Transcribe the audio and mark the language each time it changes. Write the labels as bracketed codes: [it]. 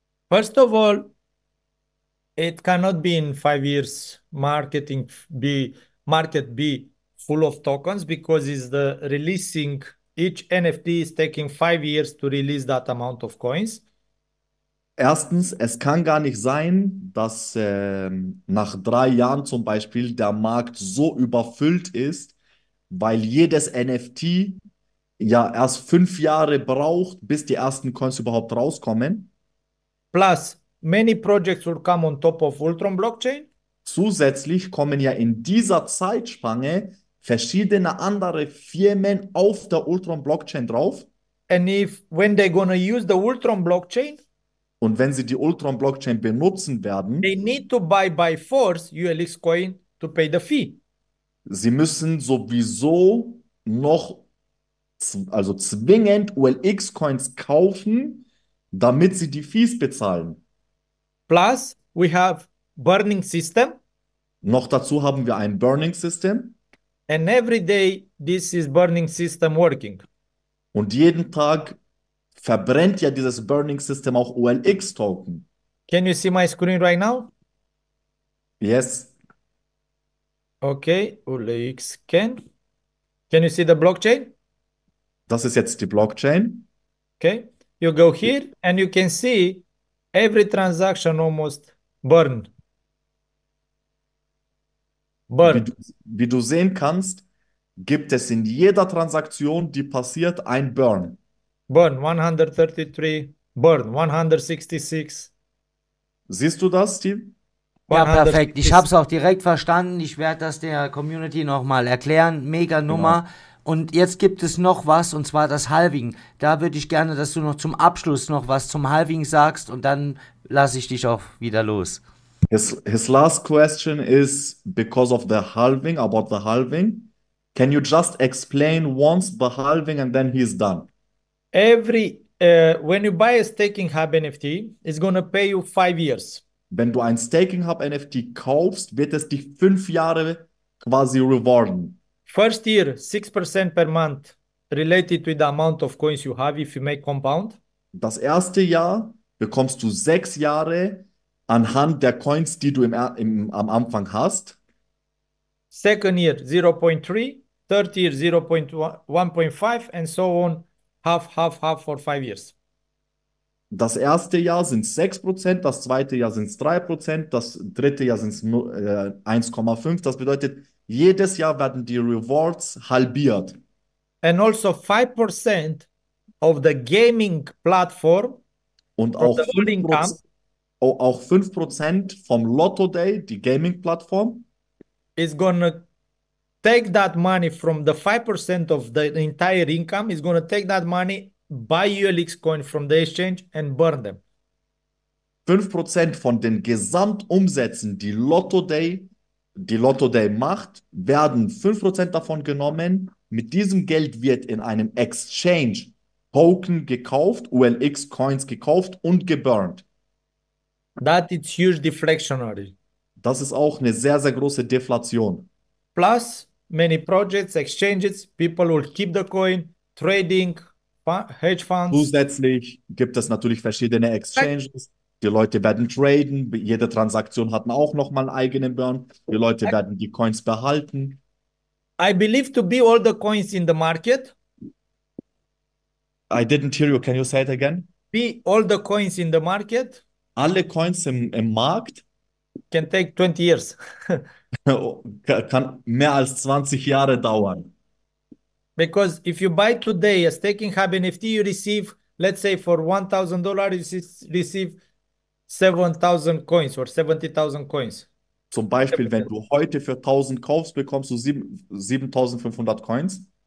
[en] First of all, it cannot be in 5 years market be full of tokens because it's the releasing each NFT is taking 5 years to release that amount of coins. [de] Erstens, es kann gar nicht sein, dass nach 3 Jahren zum Beispiel der Markt so überfüllt ist, weil jedes NFT ja erst 5 Jahre braucht, bis die ersten Coins überhaupt rauskommen. [en] Plus, many projects will come on top of Ultron Blockchain. [de] Zusätzlich kommen ja in dieser Zeitspanne verschiedene andere Firmen auf der Ultron Blockchain drauf. [en] And if when they're gonna use the Ultron Blockchain, [de] Und wenn Sie die Ultron-Blockchain benutzen [en] they [de] werden, [en] need to buy by force ULX coin to pay the fee. [de] Sie müssen sowieso noch, also zwingend ULX-Coins kaufen, damit Sie die Fees bezahlen. [en] Plus, we have burning system. [de] Noch dazu haben wir ein Burning System. [en] And every day this is burning system working. [de] Und jeden Tag verbrennt ja dieses Burning System auch OLX Token. [en] Can you see my screen right now? Yes. Okay, OLX scan. Can you see the blockchain? [de] Das ist jetzt die Blockchain. [en] Okay, you go here and you can see every transaction almost burned. [de] Wie du sehen kannst, gibt es in jeder Transaktion, die passiert, ein Burn. [en] Burn 133, Burn 166. [de] Siehst du das, Steve? Ja, perfekt. Ich habe es auch direkt verstanden. Ich werde das der Community nochmal erklären. Mega Nummer. Genau. Und jetzt gibt es noch was, und zwar das Halving. Da würde ich gerne, dass du noch zum Abschluss noch was zum Halving sagst, und dann lasse ich dich auch wieder los. [en] His last question is because of the halving, about the halving. Can you just explain once the halving and then he's done? When you buy a Staking Hub NFT, it's going to pay you 5 years. [de] Wenn du ein Staking Hub NFT kaufst, wird es dich 5 Jahre quasi rewarden. [en] First year, 6% per month related to the amount of coins you have if you make compound. [de] Das erste Jahr bekommst du 6 Jahre anhand der Coins, die du am Anfang hast. [en] Second year 0.3, third year 0.1.5 and so on, half for 5 years. [de] Das erste Jahr sind 6%, das zweite Jahr sind es 3%, das dritte Jahr sind es 1,5. Das bedeutet, jedes Jahr werden die Rewards halbiert. [en] And also 5% of the gaming platform [de] und auch [en] the holding camp. [de] Auch 5% vom Lotto Day, die Gaming-Plattform, [en] is gonna take that money from the 5% of the entire income, is gonna take that money, buy ULX coin from the exchange and burn them. [de] 5% von den Gesamtumsätzen, die Lotto Day macht, werden 5% davon genommen. Mit diesem Geld wird in einem Exchange Token gekauft, ULX Coins gekauft und geburnt. [en] That is huge deflationary. [de] Das ist auch eine sehr, sehr große Deflation. [en] Plus, many projects, exchanges, people will keep the coin, trading, hedge funds. [de] Zusätzlich gibt es natürlich verschiedene Exchanges. Die Leute werden traden. Jede Transaktion hat auch nochmal einen eigenen Burn. Die Leute werden die Coins behalten. [en] I believe to be all the coins in the market. I didn't hear you. Can you say it again? Be all the coins in the market. [de] Alle Coins im Markt [en] can take 20 years. [de] kann mehr als 20 Jahre dauern. [en] Because if you buy today a Staking Hub NFT, you receive, let's say for $1,000, you receive 7,000 coins or 70,000 coins. [de] Zum Beispiel, wenn du heute für 1,000 kaufst, bekommst du 7,500 Coins.